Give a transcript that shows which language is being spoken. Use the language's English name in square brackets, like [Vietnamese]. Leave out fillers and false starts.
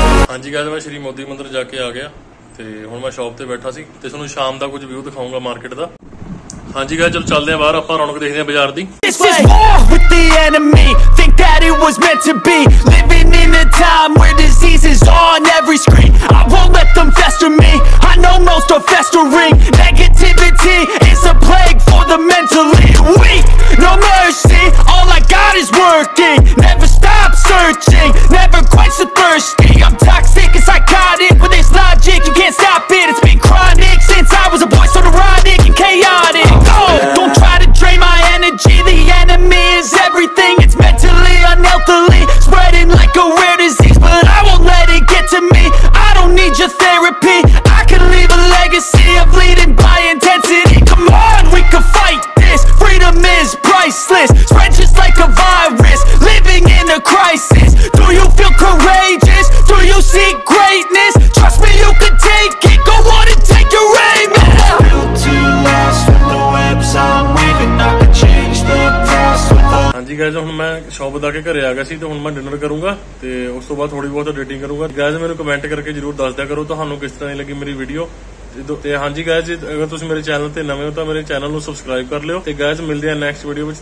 [Punjabi] ਹਾਂਜੀ ਗਾਇਜ਼, ਮੈਂ ਸ਼੍ਰੀ ਮੋਦੀ ਮੰਦਿਰ ਜਾ ਕੇ ਆ ਗਿਆ ਅਤੇ ਹੁਣ ਮੈਂ ਸ਼ੌਪ 'ਤੇ ਬੈਠਾ ਸੀ ਅਤੇ ਤੁਹਾਨੂੰ ਸ਼ਾਮ ਦਾ ਕੁਝ ਵਿਊ ਦਿਖਾਊਂਗਾ ਮਾਰਕੀਟ ਦਾ। ਹਾਂਜੀ ਗਾਇਜ਼, ਚਲੋ ਚੱਲਦੇ ਹਾਂ ਬਾਹਰ, ਆਪਾਂ ਰੌਣਕ ਦੇਖਦੇ ਹਾਂ ਬਾਜ਼ਾਰ ਦੀ। [English] Time where disease is on every screen, I won't let them fester me. I know most are festering. Negativity is a plague for the mentally weak. No mercy, all I got is working. Never stop searching, never quite so thirsty. I'm toxic and psychotic, but it's logic, you can't stop it. It's been chronic since I was a boy, so neurotic and chaotic. Oh, don't try to drain my energy, the enemy is everything. It's mentally, unhealthily, spreading like a rare disease. But I won't let it get to me, I don't need your therapy. I can leave a legacy of leading by intensity. Come on, we can fight this, freedom is priceless. Spread just like a virus, living in a crisis. Do you feel courageous? Do you seek greatness? Trust me, you can take it, go on and take your aim. [Punjabi] ਹਾਂਜੀ guys, ਹੁਣ ਮੈਂ shop ਦਾ ਕੇ ਘਰੇ ਆ ਗਿਆ ਸੀ ਅਤੇ ਹੁਣ ਮੈਂ dinner ਕਰੂੰਗਾ ਅਤੇ ਉਸ ਤੋਂ ਬਾਅਦ ਥੋੜ੍ਹੀ ਬਹੁਤ ਐਡੀਟਿੰਗ ਕਰੂੰਗਾ। ਗਾਇਜ਼, ਮੈਨੂੰ ਕਮੈਂਟ ਕਰਕੇ ਜ਼ਰੂਰ ਦੱਸਦਿਆ ਕਰੋ ਤੁਹਾਨੂੰ ਕਿਸ ਤਰ੍ਹਾਂ ਦੀ ਲੱਗੀ ਮੇਰੀ ਵੀਡੀਓ ਅਤੇ ਹਾਂਜੀ ਗਾਇਜ਼, ਅਗਰ ਤੁਸੀਂ ਮੇਰੇ ਚੈਨਲ 'ਤੇ ਨਵੇਂ ਹੋ ਤਾਂ ਮੇਰੇ ਚੈਨਲ ਨੂੰ ਸਬਸਕ੍ਰਾਈਬ ਕਰ ਲਿਓ ਅਤੇ ਗਾਇਜ਼, ਮਿਲਦੇ ਹਾਂ ਨੈਕਸਟ ਵੀਡੀਓ ਵਿੱਚ।